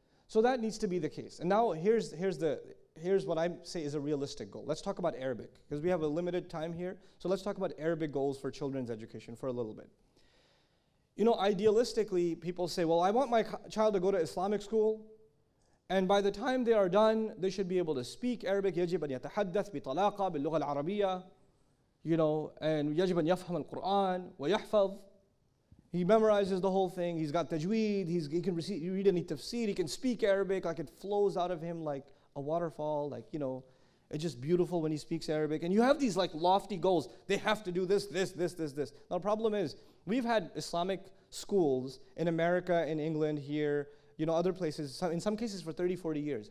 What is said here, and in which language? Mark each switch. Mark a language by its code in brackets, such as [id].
[en] So that needs to be the case. And now, here's what I say is a realistic goal. Let's talk about Arabic, because we have a limited time here. So let's talk about Arabic goals for children's education for a little bit. You know, idealistically, people say, well, I want my child to go to Islamic school, and by the time they are done, they should be able to speak Arabic. [ar] يَجِبْ أَنْ يَتَحَدَّثْ بِطَلَاقَ بِاللُّغَ الْعَرَبِيَّةِ [en] You know, and [ar] يَجِبْ أَنْ يَفْهَمَ الْقُرْآنَ وَيَحْفَظْ [en] He memorizes the whole thing. He's got tajweed. He can read any tafsir. He can speak Arabic. Like, it flows out of him like a waterfall. Like, you know, it's just beautiful when he speaks Arabic. And you have these, like, lofty goals. They have to do this. Now, the problem is, we've had Islamic schools in America, in England, here, you know, other places, in some cases for 30, 40 years.